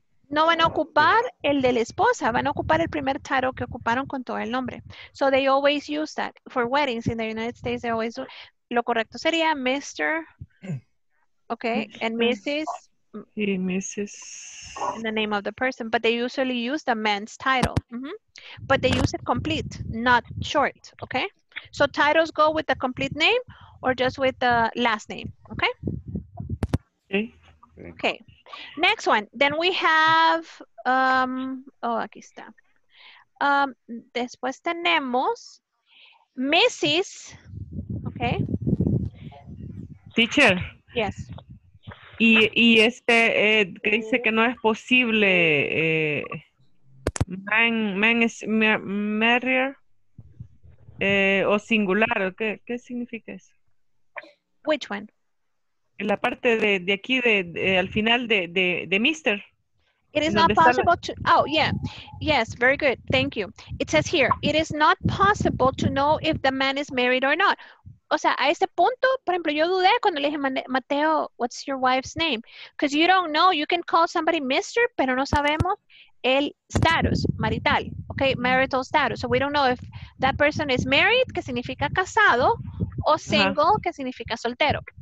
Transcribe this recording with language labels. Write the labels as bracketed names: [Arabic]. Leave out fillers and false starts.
[Spanish] No van a ocupar el de la esposa, van a ocupar el primer title que ocuparon con todo el nombre. [English] So they always use that for weddings in the United States. They always do. [Spanish] Lo correcto sería [English] Mr. Okay, and Mrs. [Spanish] Y Mrs. [English] In the name of the person, but they usually use the man's title. Mm-hmm. But they use it complete, not short. Okay, so titles go with the complete name or just with the last name. Okay. Okay. Okay. Next one. Then we have. Oh, [Spanish] aquí está. Después tenemos Mrs. Okay. [English] Teacher. Yes. [Spanish] Y este que dice que no es posible. Man es merrier o singular. ¿Qué significa eso? [English] Which one? [Spanish] La parte de aquí de al final de Mister. [English] It is not possible to. Oh yeah, yes, very good. Thank you. It says here it is not possible to know if the man is married or not. [Spanish] O sea, a ese punto, por ejemplo, yo dudé cuando le dije Mateo, [English] what's your wife's name? Because you don't know. You can call somebody Mister, [Spanish] pero no sabemos el status marital, [English] okay, marital status. So we don't know if that person is married, [Spanish] que significa casado, o [English] single, uh-huh, [Spanish] que significa soltero.